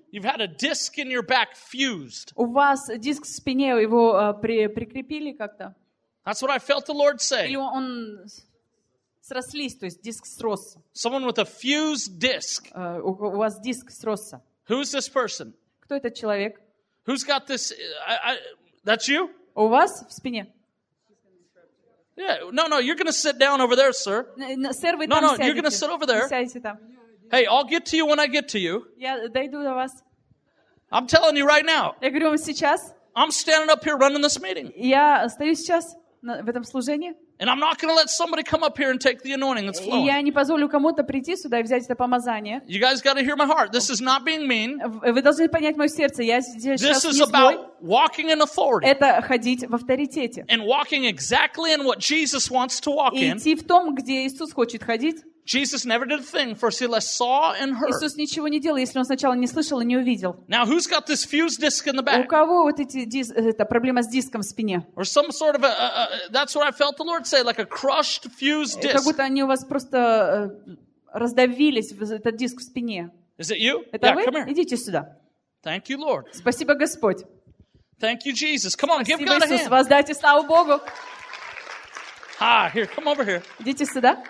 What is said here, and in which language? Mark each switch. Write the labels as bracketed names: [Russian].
[English] You've had a disc in your back fused. [Russian] У вас диск в спине, его прикрепили как-то? [English] That's what I felt the Lord say. [Russian] Или он срослись, то есть диск сросся. [English] Someone with a fused disc. [Russian] У вас диск сросся. [English] Who's this person? [Russian] Кто этот человек? [English] Who's got this? That's you? [Russian] У вас в спине? [English] Yeah, no, you're going to sit down over there, sir. [Russian] Сэр, вы [English] no, [Russian] там [English] no, [Russian] сядете. [English] You're going to sit over there. [Russian] Сядете там. [English] Hey, I'll get to you when I get to you. [Russian] Я дойду до вас. [English] I'm telling you right now. [Russian] Я говорю вам сейчас. [English] I'm standing up here running this meeting. [Russian] Я стою сейчас в этом служении. [English] And I'm not going to let somebody come up here and take the anointing that's flowing. [Russian] Я не позволю кому-то прийти сюда и взять это помазание. [English] You guys got to hear my heart. This is not being mean. [Russian] Вы должны понять мое сердце. Я здесь сейчас не злой. [English] This is about walking in authority. [Russian] Это ходить в авторитете. [English] And walking exactly in what Jesus wants to walk in. [Russian] Идти в том, где Иисус хочет ходить. [English] Jesus never did a thing first unless he saw and heard. [Russian] Иисус ничего не делал, если он сначала не слышал и не увидел. [English] Now who's got this fused disc in the back? [Russian] У кого вот эти это проблема с диском в спине? [English] Or some sort of that's what I felt the Lord say, like a crushed fused disc. [Russian] Как будто они у вас просто раздавились в этот диск в спине. [English] Is it you? [Russian] Это [English] yeah, [Russian] вы? [English] Come here. [Russian] Идите сюда. [English] Thank you, Lord. [Russian] Спасибо, Господь. [English] Thank you, Jesus. Come on, [Russian] Спасибо, [English] give God [Russian] Иисус, [English] a hand. [Russian] Воздайте славу Богу. [English] Ah, here, come over here. [Russian] Идите сюда.